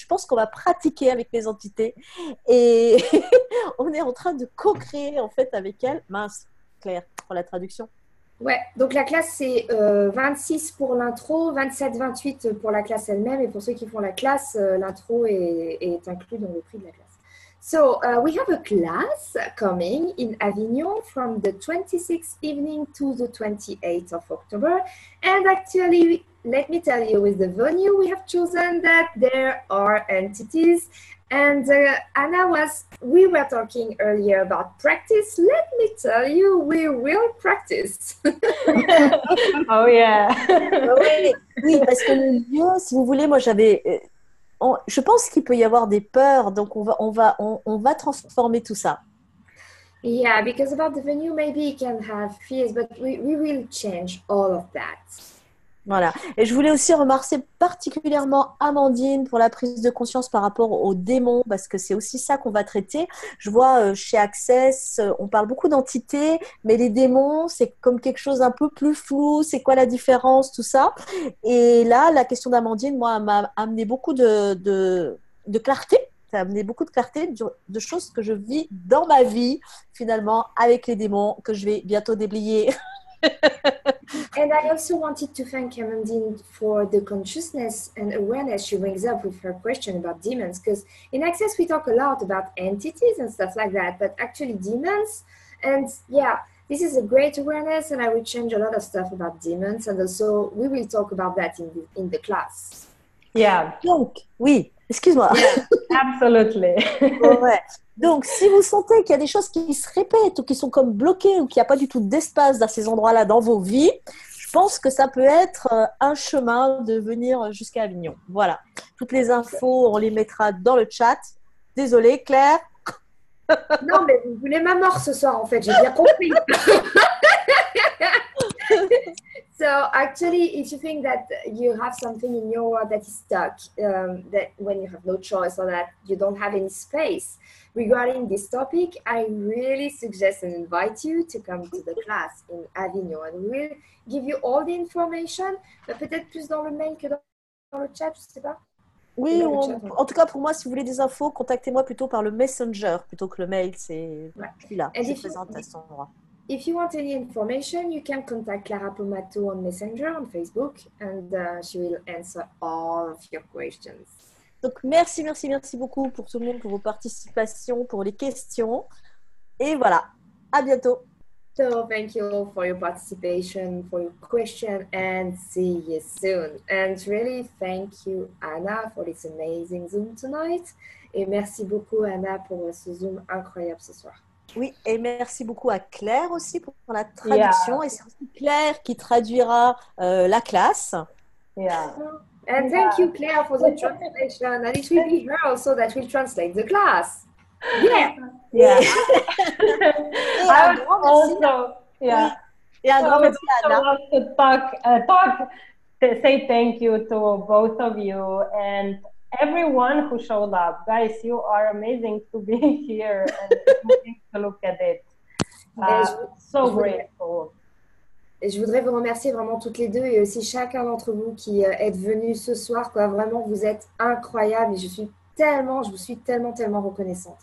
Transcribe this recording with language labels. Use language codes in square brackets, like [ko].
[fr] Je pense qu'on va pratiquer avec les entités. Et on est en train de co-créer, en fait, avec elles. Mince, Claire, pour la traduction. Ouais, donc la classe, c'est 26 pour l'intro, 27-28 pour la classe elle-même. Et pour ceux qui font la classe, l'intro est inclus dans le prix de la classe. [en] So, we have a class coming in Avignon from the 26th evening to the 28th of October. And actually, let me tell you, with the venue we have chosen, that there are entities. And Anna we were talking earlier about practice. Let me tell you, we will practice. Oh, yeah. [fr] Oui, parce que le lieu, si vous voulez, moi, je pense qu'il peut y avoir des peurs. Donc, on va transformer tout ça. [en] Yeah, because about the venue, maybe you can have fears, but we will change all of that. [fr] Voilà. Et je voulais aussi remercier particulièrement Amandine pour la prise de conscience par rapport aux démons, parce que c'est aussi ça qu'on va traiter. Je vois chez Access, on parle beaucoup d'entités, mais les démons, c'est comme quelque chose un peu plus flou. C'est quoi la différence, tout ça? Et là, la question d'Amandine, moi, elle m'a amené beaucoup de clarté. Ça a amené beaucoup de clarté de choses que je vis dans ma vie, finalement, avec les démons, que je vais bientôt déblayer. [en] And I also wanted to thank Amandine for the consciousness and awareness she brings up with her question about demons. Because in Access, we talk a lot about entities and stuff like that, but actually demons. And yeah, this is a great awareness, and I will change a lot of stuff about demons. And also, we will talk about that in the class. Yeah. [fr] Donc, oui. Excuse-moi. [en] Yeah, absolutely. [fr] Ouais. Donc, si vous sentez qu'il y a des choses qui se répètent ou qui sont comme bloquées ou qu'il n'y a pas du tout d'espace dans ces endroits-là dans vos vies, je pense que ça peut être un chemin de venir jusqu'à Avignon. Voilà. Toutes les infos, on les mettra dans le chat. Désolée, Claire. Non, mais vous voulez ma mort ce soir, en fait. J'ai bien compris. [en] So actually, if you think that you have something in your world that is stuck, that when you have no choice or that you don't have any space regarding this topic, I really suggest and invite you to come to the class in Avignon, and we'll give you all the information, but [fr] peut-être plus dans le mail que dans le chat, je sais pas. Oui, en tout cas pour moi, si vous voulez des infos, contactez-moi plutôt par le messenger plutôt que le mail. C'est là, je présente à son endroit. [en] If you want any information, you can contact Clara Pomato on Messenger, on Facebook, and she will answer all of your questions. [fr] Donc, merci, merci, merci beaucoup pour tout le monde, pour vos participations, pour les questions. Et voilà, à bientôt. [en] So, thank you all for your participation, for your question, and see you soon. And really, thank you, Anna, for this amazing Zoom tonight. [fr] Et merci beaucoup, Anna, pour ce Zoom incroyable ce soir. Oui, et merci beaucoup à Claire aussi pour la traduction. [en] Yeah. [fr] Et c'est aussi Claire qui traduira la classe. [en] Yeah. And thank you, Claire, for the translation. And it will be her also that will translate the class. Yeah. Yeah. I would also, yeah. [fr] Oui. Et un grand merci à Anna. [en] I would also say thank you to both of you and everyone who showed up. Guys, you are amazing to be here and to look at it. So grateful. [fr] Et je voudrais vous remercier vraiment toutes les deux et aussi chacun d'entre vous qui êtes venus ce soir. Quoi, vraiment, vous êtes incroyables et je vous suis tellement, tellement reconnaissante.